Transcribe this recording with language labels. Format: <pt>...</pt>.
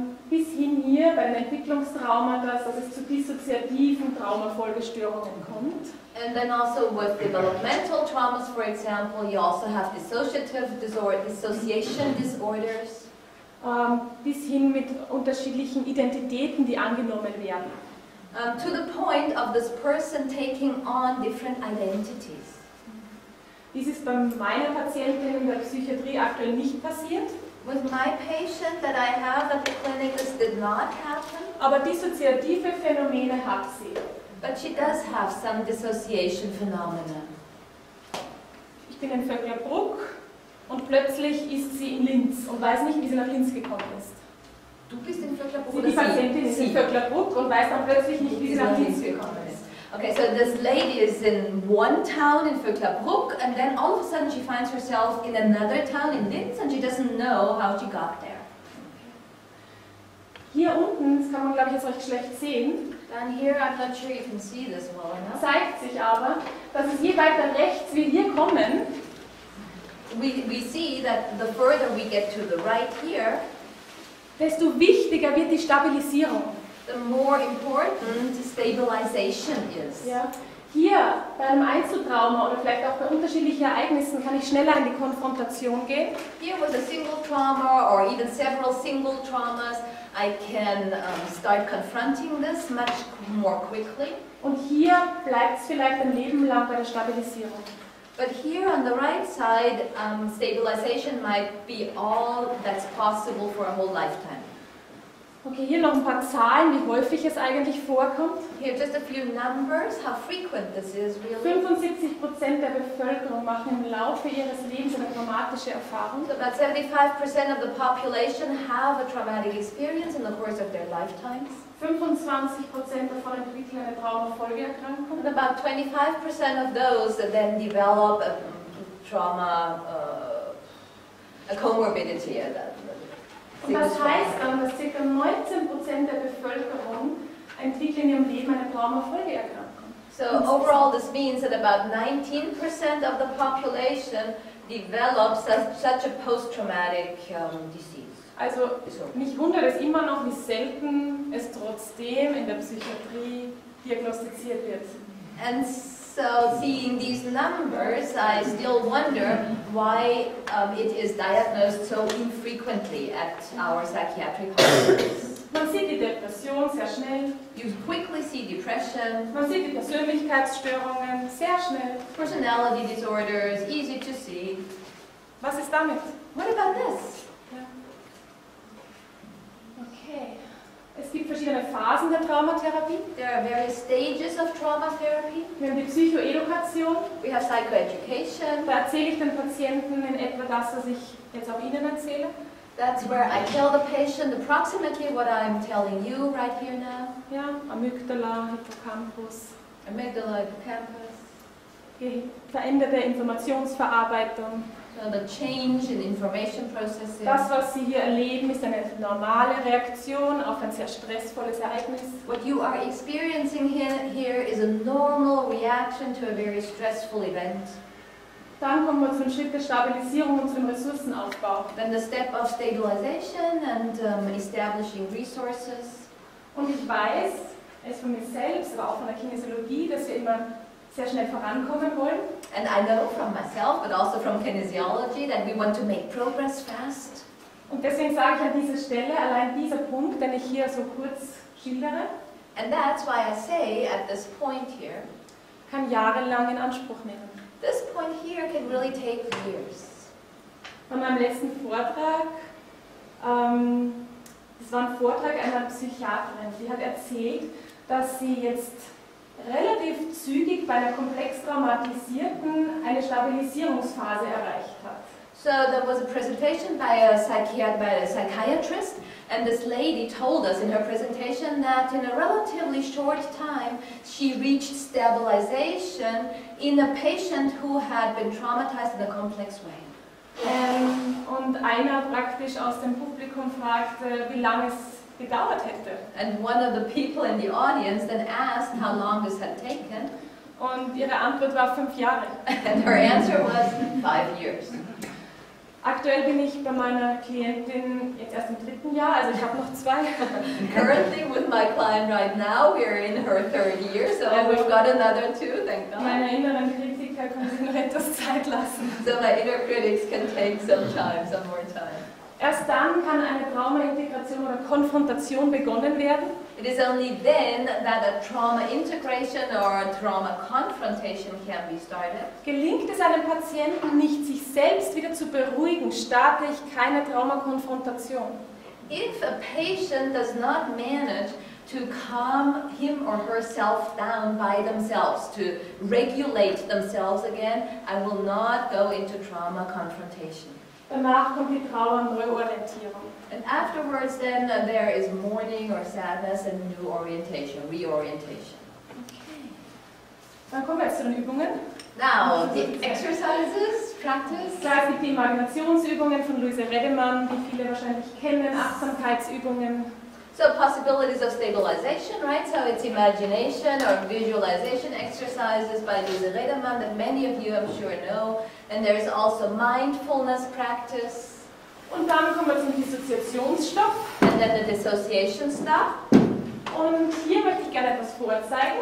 <de>Bis hin hier bei den Entwicklungstraumen, dass es zu dissoziativen Traumafolgestörungen kommt.</de> <en>And then also with developmental traumas, for example, you also have dissociative disorder, dissociation disorders.</en> <de>Bis hin mit unterschiedlichen Identitäten, die angenommen werden.</de> <en>To the point of this person taking on different identities.</en> <de>Dies ist bei meiner Patientin in der Psychiatrie aktuell nicht passiert.</de> <en>With my patient that I have at the clinic, this did not happen.</en> <de>Aber dissoziative Phänomene hat sie.</de> <en>But she does have some dissociation phenomena.</en> <de>Ich bin in Vöcklabruck und plötzlich ist sie in Linz und weiß nicht, wie sie nach Linz gekommen ist. Du bist in Vöcklabruck oder sie? Die Patientin ist in Vöcklabruck und weiß dann plötzlich nicht, wie sie nach Linz gekommen ist.</de> <en>Okay, so this lady is in one town in Vöcklabruck and then all of a sudden she finds herself in another town in Linz and she doesn't know how she got there.</en> <de>Hier unten, das kann man glaube ich jetzt recht schlecht sehen.</de> <en>Down here, I'm not sure you can see this well enough.</en> <de>Zeigt sich aber, dass es je weiter rechts wie hier kommen.</de> <en>We see that the further we get to the right here,</en> <de>desto wichtiger wird die Stabilisierung.</de> <en>The more important stabilization is.</en> <de>Ja. Hier, bei einem Einzeltrauma oder vielleicht auch bei unterschiedlichen Ereignissen, kann ich schneller in die Konfrontation gehen.</de> <en>Here with a single trauma or even several single traumas, I can start confronting this much more quickly.</en> <de>Und hier bleibt es vielleicht ein Leben lang bei der Stabilisierung.</de> <en>But here on the right side, stabilization might be all that's possible for a whole lifetime.</en> <de>Okay, hier noch ein paar Zahlen, wie häufig es eigentlich vorkommt.</de> <en>Here just a few numbers, how frequent this is really.</en> <de>75% der Bevölkerung machen im Laufe ihres Lebens eine traumatische Erfahrung.</de> <en>So about 75% of the population have a traumatic experience in the course of their lifetimes.</en> <de>25% davon entwickeln eine Traumafolgeerkrankung.</de> <en>And about 25% of those that then develop a trauma, a comorbidity.</en> <de>Und das heißt dann, dass ca. 19% der Bevölkerung entwickeln in ihrem Leben eine Traumafolgeerkrankung.</de> <en>So overall this means that about 19% of the population develops such a post-traumatic disease.</en> <de>Also mich wundert es immer noch, wie selten es trotzdem in der Psychiatrie diagnostiziert wird.</de> <en>And so seeing these numbers, I still wonder why it is diagnosed so infrequently at our psychiatric hospitals.</en> <de>Man sieht die Depression sehr schnell.</de> <en>You quickly see depression.</en> <de>Man sieht die Persönlichkeitsstörungen sehr schnell.</de> <en>Personality disorders, easy to see.</en> <de>Was ist damit?</de> <en>What about this?</en> <de>Es gibt verschiedene Phasen der Traumatherapie.</de> <en>There are various stages of trauma therapy.</en> <de>Wir haben die Psychoedukation.</de> <en>We have psychoeducation.</en> <de>Da erzähle ich den Patienten in etwa das, was ich jetzt auch Ihnen erzähle.</de> <en>That's where I tell the patient approximately what I'm telling you right here now.</en> <de>Ja, Amygdala, Hippocampus.</de> <en>Amygdala, Hippocampus.</en> <de>Die veränderte Informationsverarbeitung.</de> <en>So the change in information processing.</en> <de>Das, was Sie hier erleben, ist eine normale Reaktion auf ein sehr stressvolles Ereignis.</de> <en>What you are experiencing here is a normal reaction to a very stressful event.</en> <de>Dann kommen wir zum Schritt der Stabilisierung und zum Ressourcenaufbau.</de> <en>Then the step of stabilization and establishing resources.</en> <de>Und ich weiß es von mir selbst, aber auch von der Kinesiologie, dass wir immer sehr schnell vorankommen wollen.</de> <en>And I know from myself, but also from kinesiology, that we want to make progress fast.</en> <de>Und deswegen sage ich an dieser Stelle, allein dieser Punkt, den ich hier so kurz schildere,</de> <en>and that's why I say at this point here,</en> <de>kann jahrelang in Anspruch nehmen.</de> <en>This point here can really take years.</en> <de>Von meinem letzten Vortrag, das war ein Vortrag einer Psychiaterin, die hat erzählt, dass sie jetzt relativ zügig bei einer komplex traumatisierten eine Stabilisierungsphase erreicht hat.</de> <en>So there was a presentation by a psychiatrist, and this lady told us in her presentation that in a relatively short time she reached stabilization in a patient who had been traumatized in a complex way.</en> <de>Und einer praktisch aus dem Publikum fragte, wie lange es gedauert hätte.</de> <en>And one of the people in the audience then asked how long this had taken.</en> <de>Und ihre Antwort war 5 Jahre.</de> <en>And her answer was 5 years.</en> <de>Aktuell bin ich bei meiner Klientin jetzt erst im 3. Jahr, also ich habe noch 2.</de> <en>Currently with my client right now, we're in her 3rd year, so we've got another 2, thank God.</en> <de>Meine inneren Kritiker können sich noch etwas Zeit lassen.</de> <en>So my inner critics can take some time, some more time.</en> <de>Erst dann kann eine Trauma-Integration oder Konfrontation begonnen werden.</de> <en>It is only then that a trauma integration or a trauma confrontation can be started.</en> <de>Gelingt es einem Patienten nicht, sich selbst wieder zu beruhigen, starte ich keine Trauma-Konfrontation.</de> <en>If a patient does not manage to calm him or herself down by themselves, to regulate themselves again, I will not go into trauma confrontation.</en> <de>Danach kommt die Trauer und Reorientierung.</de> <en>And afterwards then there is mourning or sadness and new orientation, reorientation.</en> <de>Okay. Dann kommen wir jetzt zu den Übungen.</de> <en>Now, the exercises, practice.</en> <de>Da gibt die Imaginationsübungen von Louise Redemann, die viele wahrscheinlich kennen, Achtsamkeitsübungen.</de> <en>So possibilities of stabilization, right? So it's imagination or visualization exercises by Louise Redemann that many of you I'm sure know. And there is also mindfulness practice.</en> <de>Und dann kommen wir zum Dissoziationsstoff.</de> <en>And then the dissociation stuff.</en> <de>Und hier möchte ich gerne etwas vorzeigen.</de>